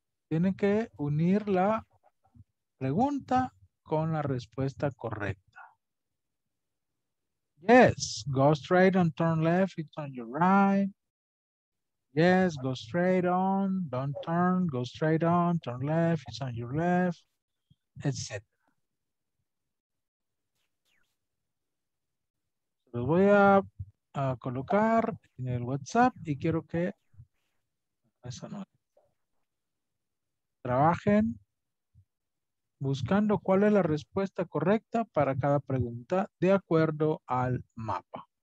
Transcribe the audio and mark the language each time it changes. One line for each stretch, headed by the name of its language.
Spanish: Tienen que unir la pregunta con la respuesta correcta.
English: Yes, go straight and turn left, it's on your right. Yes, go straight on, don't turn, go straight on, turn left, it's on your left, etc.
Spanish: Los voy a colocar en el WhatsApp y quiero que eso no. Trabajen buscando cuál es la respuesta correcta para cada pregunta de acuerdo al mapa.